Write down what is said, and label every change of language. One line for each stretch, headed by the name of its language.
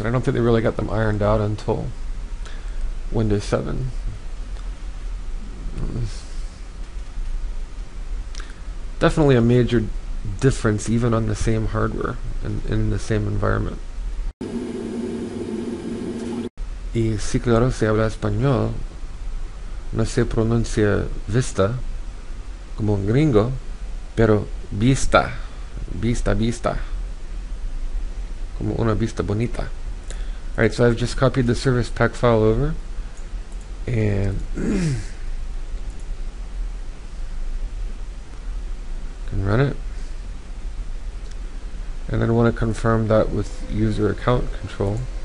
English: And I don't think they really got them ironed out until Windows 7. Definitely a major difference, even on the same hardware and in the same environment.
Spanish: Y si claro se habla español, no se pronuncia Vista como un gringo, pero Vista, Vista, Vista, como una vista bonita.
English: All right, so I've just copied the service pack file over, and can run it. And then I want to confirm that with user account control.